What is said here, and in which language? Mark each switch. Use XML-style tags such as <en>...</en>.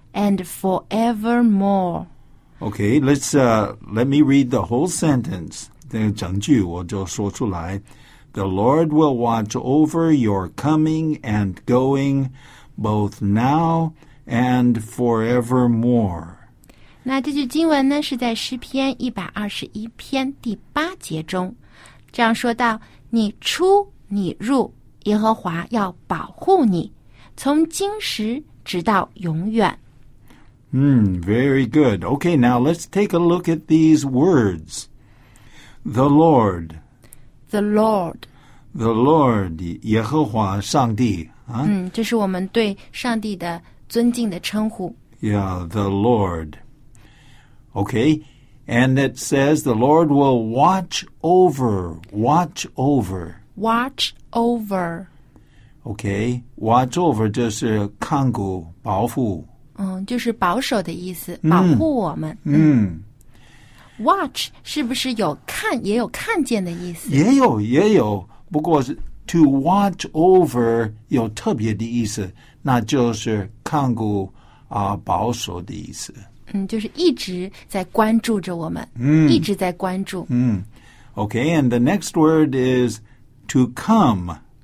<en>And forevermore. Okay. Let me read the whole sentence.</en> <zh>整句我就说出来。</zh> <en>The Lord will watch over your coming and going, both now and forevermore.</en> <zh>那这句经文呢，是在诗篇121篇第8节中，这样说到：你出，你入，耶和华要保护你，从今时直到永远。</zh> <en>Very good. Okay, now let's take a look at these words. The Lord. The Lord.</en> <zh>The Lord, 耶和华上帝、这是我们对上帝的尊敬的称呼。</zh> <en>Yeah, the Lord. Okay, and it says the Lord will watch over, watch over. Watch over.</en> <zh>Okay, watch over 就是看顾、保护。就是保守的意思，保护我们。Watch 是不是有看，也有看见的意思？也有，也有。不过是 to watch over 有特别的意思，那就是看顾啊、保守的意思。就是一直在关注着我们，一直在关注。</zh> <en>Okay, and the next word is to come.</en>